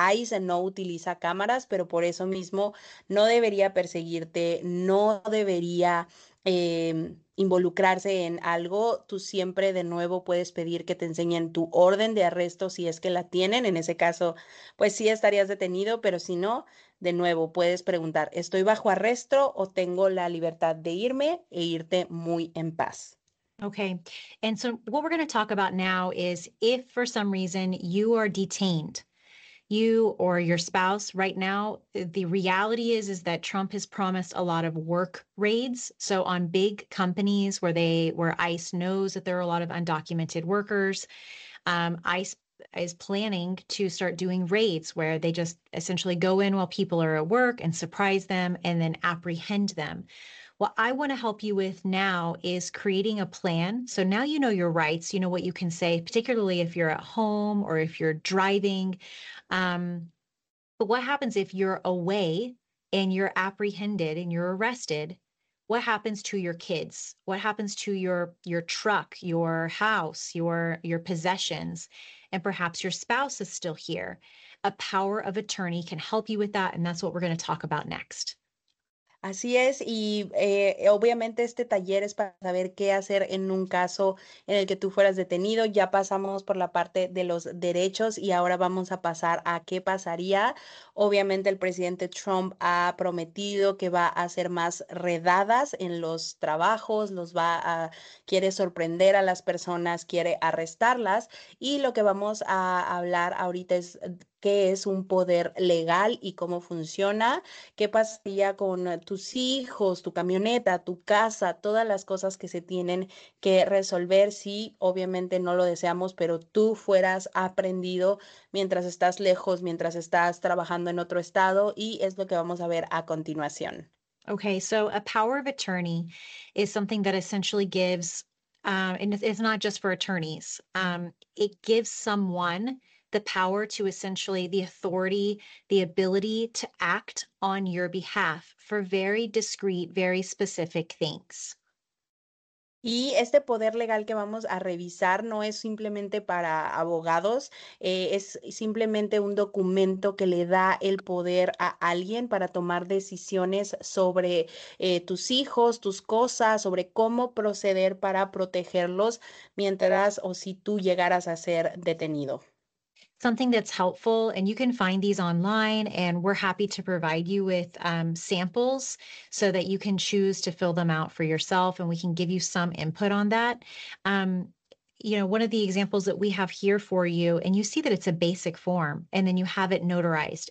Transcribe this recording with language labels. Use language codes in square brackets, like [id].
[es] ICE no utiliza cámaras, pero por eso mismo no debería perseguirte, no debería involucrarse en algo. Tú siempre de nuevo puedes pedir que te enseñen tu orden de arresto si es que la tienen. En ese caso, pues sí estarías detenido, pero si no, de nuevo puedes preguntar, ¿estoy bajo arresto o tengo la libertad de irme e irte muy en paz? [en] Okay. And so what we're going to talk about now is if for some reason you are detained, you or your spouse right now. The reality is that Trump has promised a lot of work raids. So on big companies where ICE knows that there are a lot of undocumented workers, ICE is planning to start doing raids where they just essentially go in while people are at work and surprise them and then apprehend them. What I want to help you with now is creating a plan. So now you know your rights, you know what you can say, particularly if you're at home or if you're driving. But what happens if you're away and you're apprehended and you're arrested? What happens to your kids? What happens to your truck, your house, your possessions, and perhaps your spouse is still here? A power of attorney can help you with that, and that's what we're going to talk about next. [es] Así es, y obviamente este taller es para saber qué hacer en un caso en el que tú fueras detenido. Ya pasamos por la parte de los derechos y ahora vamos a pasar a qué pasaría. Obviamente el presidente Trump ha prometido que va a hacer más redadas en los trabajos, quiere sorprender a las personas, quiere arrestarlas, y lo que vamos a hablar ahorita es qué es un poder legal y cómo funciona, qué pasaría con tus hijos, tu camioneta, tu casa, todas las cosas que se tienen que resolver si obviamente no lo deseamos, pero tú fueras aprehendido mientras estás lejos, mientras estás trabajando en otro estado, y es lo que vamos a ver a continuación. [en] Okay, so a power of attorney is something that essentially gives, and it's not just for attorneys, it gives someone the power to essentially the authority, the ability to act on your behalf for very discreet, very specific things. [es] Y este poder legal que vamos a revisar no es simplemente para abogados, es simplemente un documento que le da el poder a alguien para tomar decisiones sobre tus hijos, tus cosas, sobre cómo proceder para protegerlos mientras o si tú llegaras a ser detenido. [en] Something that's helpful, and you can find these online, and we're happy to provide you with samples so that you can choose to fill them out for yourself, and we can give you some input on that. One of the examples that we have here for you, and you see that it's a basic form, and then you have it notarized.